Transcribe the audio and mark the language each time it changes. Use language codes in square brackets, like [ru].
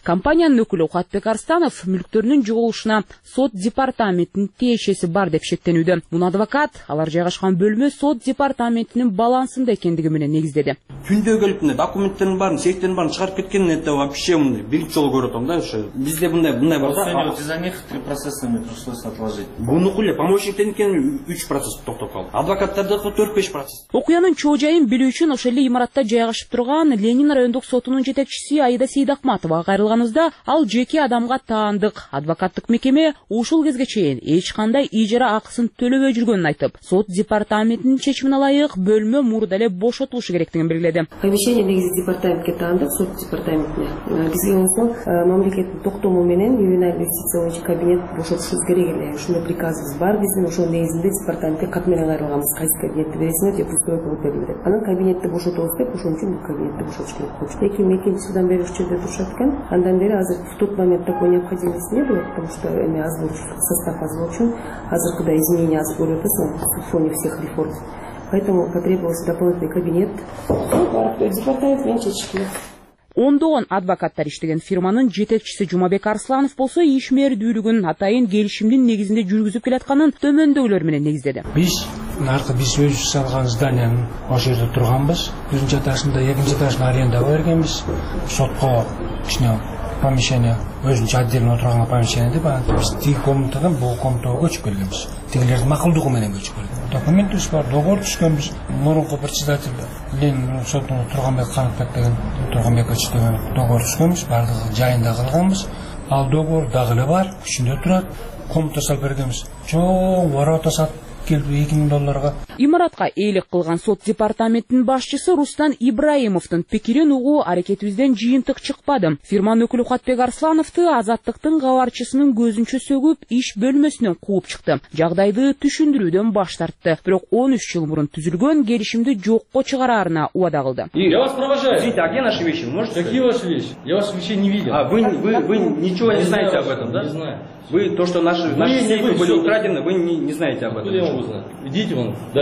[ky] Компаниянын өкүлү Укатбек Арстанов мүлктөрүнүн жоголушуна сот департаментинин тиешеси бар деп шектенүүдө. Мун адвокат алар жайгашкан бөлмө сот департаментинин балансында экендиги менен негиздеди. Түндө келип мындай документтердин баарын, сейфтердин баарын чыгарып кеткен, [ru] это вообще [ky] мындай биринчи жолу көрүп атам да. Ошо бизде мындай бар да. [ru] За них 3 процессами пришлось отложить. [ky] Бунуку эле помощниктерникин 3 процесс токтоп калды. Адвокаттардыкы 4-5 процесс. Окуянын чоо жайын билүү үчүн ошол эле имаратта жайгашып турган Ленин райондук сотунун жетекчиси Аида Сейдакматова кайрылганыбызда ал жеке адамга таандык адвокаттык мекеме ушул кезге чейин эч кандай ижара акысын төлөбөй жүргөнүн айтып, сот департаментинин чечими налайык бөлмө мурда эле бошотулушу керектигин белгиледи. Помещение негизи департаментке таандык, сот департаментине. Бизге болсо мамлекеттин токтому менен ювенальный юстиция кабинет бошотушубуз керек эле. Ушундай приказыбыз бар биздин, ошол негизинде департаментке кат менен кайрылганбыз. Кайсы кабинетти бересиңер деп устройка өтөлдү деп. Анан кабинетти бошотобуз деп ошон үчүн бул кабинетти бошотуш керек болчу. 2002-жылдан бери ушул жерде турушат экен. Андан бери азыр [ru] в тот момент такой необходимости не было, потому что [ky] эми азыр состав аз болчу. Азыркыда изменения аз көрүп атасың [ru] в фоне всех реформ. Поэтому потребовался дополнительный кабинет. [ky] Департамент менен чечкиле. Ондогон адвокаттар иштеген фирманын жетекчиси Жумабек Арсланов болсо ишмердүүлүгүн атайын келишимдин негизинде жүргүзүп келатканын төмөндөгүлөр менен негиздеди. Биз өзүбүз салган зданияны ошол жерде турганбыз. Биринчи этажында, экинчи этажында арендага бергенбиз. Сотко кичине помещение, өзүнчө отдельно отурган помещение деп анан биз тиги комнатадан бул комнатага көчүп келгенбиз. Тигилердин макулдугу менен көчүп келдик. Документибиз бар, договор түшкөнбүз. Мурунку председатель Ленин сотунда Турганбек Канатбек деген Турганбекович деген договор түшкөнбүз, баардыгы жайында кылганбыз. Ал договор дагы эле бар, күчүндө турат. Комната салып бергенбиз. Чоң ворота сатып келип 2000 долларга. Имаратка ээлик кылган сот департаментинин башчысы Рустан Ибраимовдун пикирин угуу аракетибизден жыйынтык чыкпады. Фирманын өкүлү Укатбек Арслановду азаттыктын кабарчысынын көзүнчө сөгүп, иш бөлмөсүнөн кууп чыкты. Жагдайды түшүндүрүүдөн баш тартты. Бирок 13 жыл мурун түзүлгөн келишимди жокко чыгарарына убада кылды. [ru] Я вас провожаю. Извините, а где наши вещи? Можете? Какие ваши вещи? Я вас вообще не видел. А вы ничего не знаете об этом, да? Не знаю. Вы то, что наши сейфы были украдены, вы не знаете об этом. Куда я вам узнаю? Идите вон. Да.